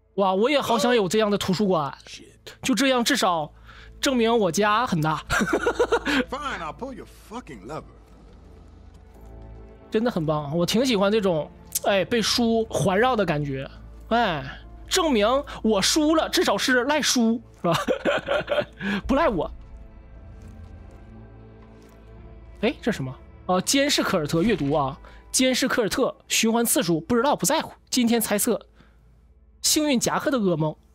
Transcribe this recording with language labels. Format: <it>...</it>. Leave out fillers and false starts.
<zh>哇，我也好想有这样的图书馆。</zh> <en>Shit,</en> <zh>就这样至少证明我家很大。</zh> <en>Fine, I'll pull your fucking lever.</en> <zh>真的很棒，我挺喜欢这种哎被书环绕的感觉。哎，证明我输了，至少是赖书是吧？不赖我。哎，这是什么？监视科尔特阅读啊，监视科尔特循环次数不知道不在乎，今天猜测，幸运夹克的噩梦。</zh>